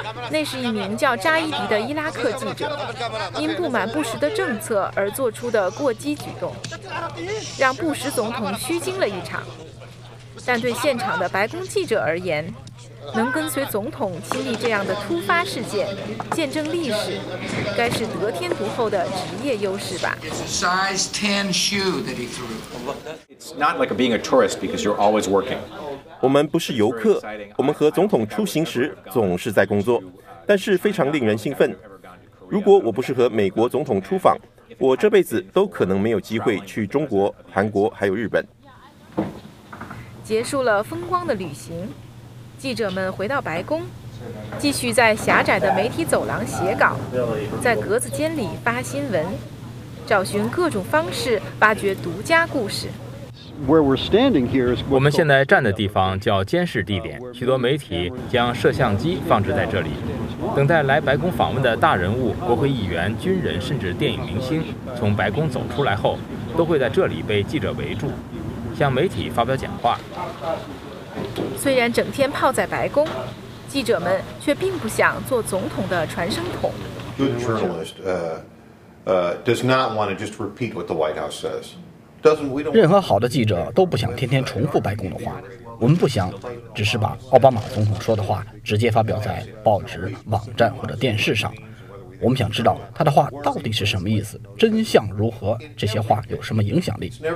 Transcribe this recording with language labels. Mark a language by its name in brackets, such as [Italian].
[Chinese] 那是一名叫扎伊迪的伊拉克记者，因不满布什的政策而做出的过激举动，让布什总统虚惊了一场。但对现场的白宫记者而言，能跟随总统亲历这样的突发事件，见证历史，该是得天独厚的职业优势吧。 [English] It's a size 10 shoe that he threw. It's not like being a tourist because you're always working. [Chinese] 我们不是游客，我们和总统出行时总是在工作，但是非常令人兴奋。如果我不是和美国总统出访，我这辈子都可能没有机会去中国、韩国还有日本。结束了风光的旅行，记者们回到白宫，继续在狭窄的媒体走廊写稿，在格子间里发新闻，找寻各种方式挖掘独家故事。我们现在站的地方叫监视地点，许多媒体将摄像机放置在这里，等待来白宫访问的大人物、国会议员、军人，甚至电影明星，从白宫走出来后，都会在这里被记者围住，向媒体发表讲话。虽然整天泡在白宫，记者们却并不想做总统的传声筒。 [English] Good journalist does not want to just repeat what the White House says. [Chinese] 任何好的记者都不想天天重复白宫的话，我们不想只是把奥巴马总统说的话直接发表在报纸、网站或者电视上，我们想知道他的话到底是什么意思，真相如何，这些话有什么影响力。